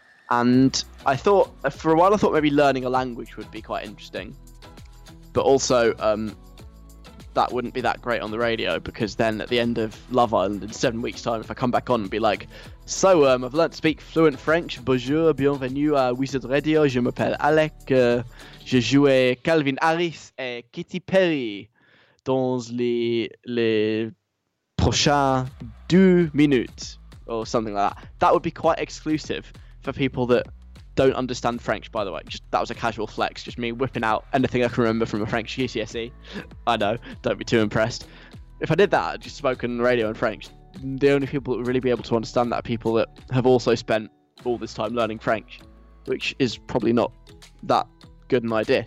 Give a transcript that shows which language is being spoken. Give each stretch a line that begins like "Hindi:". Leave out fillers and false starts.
English: And I thought, for a while, I thought maybe learning a language would be quite interesting. But also, that wouldn't be that great on the radio, because then at the end of Love Island, in 7 weeks' time, if I come back on and be like, so, I've learned to speak fluent French.
French: Bonjour, bienvenue à Wizard Radio. Je m'appelle Alec. Je joue Calvin Harris et Katy Perry dans les prochains 2 minutes.
English: Or something like that. That would be quite exclusive for people that don't understand French, by the way. Just, that was a casual flex, just me whipping out anything I can remember from a French GCSE. I know, don't be too impressed. If I did that, I'd just spoken radio in French. The only people that would really be able to understand that are people that have also spent all this time learning French, which is probably not that good an idea.